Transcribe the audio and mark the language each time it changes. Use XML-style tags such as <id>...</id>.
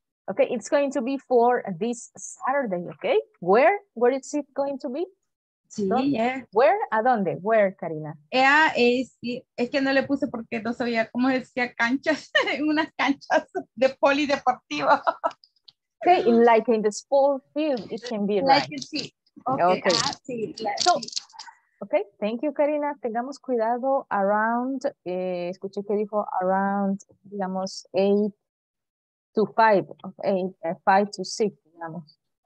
<en>Okay, it's going to be for this Saturday, okay? Where is it going to be? Sí, yeah. Where?</en> <es>¿A dónde?</es> <en>Where, Karina?</en> <es>Es que no le puse porque no sabía cómo decía canchas, unas canchas de polideportivo.</es> <en>Okay, like in the sport field, it can be like right. Like, sí. Okay. Okay, thank you,</en> <es>Karina. Tengamos cuidado around, escuché que dijo around, digamos, 8 to 5, 5 to 6, digamos.</es>